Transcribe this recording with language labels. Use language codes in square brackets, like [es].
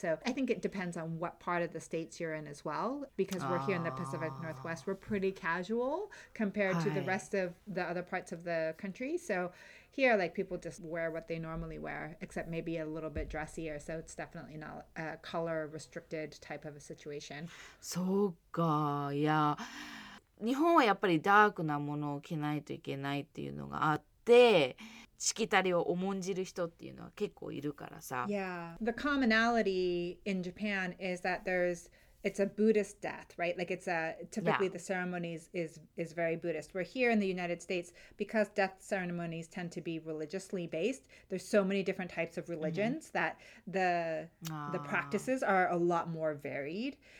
[en] So I think it depends on what part of the states you're in as well, because we're here in the Pacific Northwest. We're pretty casual compared to the rest of the other parts of the country. So here, like, people just wear what they normally wear, except maybe a little bit dressier. So it's definitely not a color-restricted type of a situation. So, yeah. [ja] 日本はやっぱりダークなものを着ないといけないっていうのがあって、しきたりを重んじる人っていうのは結構いるからさ。 [en] Yeah, the commonality in Japan is that it's a Buddhist death, right? Like it's typically the ceremonies is very Buddhist. We're here in the United States because death ceremonies tend to be religiously based. There's so many different types of religions that the practices are a lot more varied.